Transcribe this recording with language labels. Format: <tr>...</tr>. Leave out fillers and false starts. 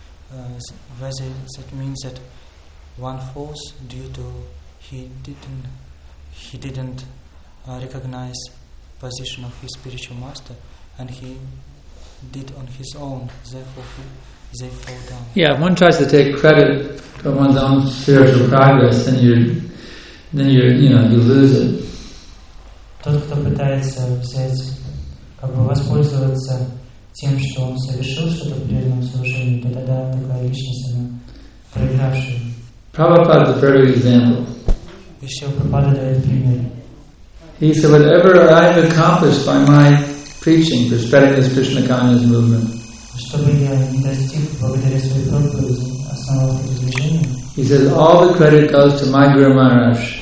<en>Whether that means that one falls due to he didn't recognize position of his spiritual master, and he did on his own. Therefore, they fall down. Yeah, if one tries to take credit for one's own spiritual progress, then you lose it.</en> <ru>Тот, кто пытается взять, как бы воспользоваться тем, что он совершил что-то в преданном служении, то тогда такая личность, она проигравшая.</ru> <en>Prabhupada is a perfect example.</en> <ru>Ещё Прабхупада дает пример.</ru> <en>He said, whatever I've accomplished by my preaching, for spreading this Krishna consciousness movement,</en> <ru>что бы я не достиг благодаря своей проповеди, основал это движение,</ru> <en>he says, all the credit goes to my Guru Maharaj.</en>